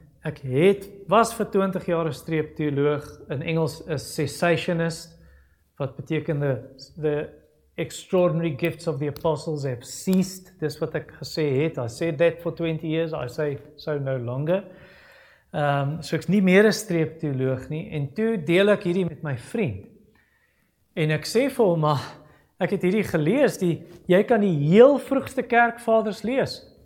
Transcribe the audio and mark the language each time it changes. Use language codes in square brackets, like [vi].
[af] Ek was vir 20 jaar 'n streep teoloog, in Engels 'n cessationist, wat beteken [en] the extraordinary gifts of the apostles have ceased. [af] Dis wat ek gesê het. [en] I said that for 20 years. I say so no longer. [af] So ek's nie meer 'n streepteoloog nie. En toe deel ek hierdie met my vriend. En ek sê vir hom, maar ek het hierdie gelees, die, jy kan die heel vroegste kerkvaders lees.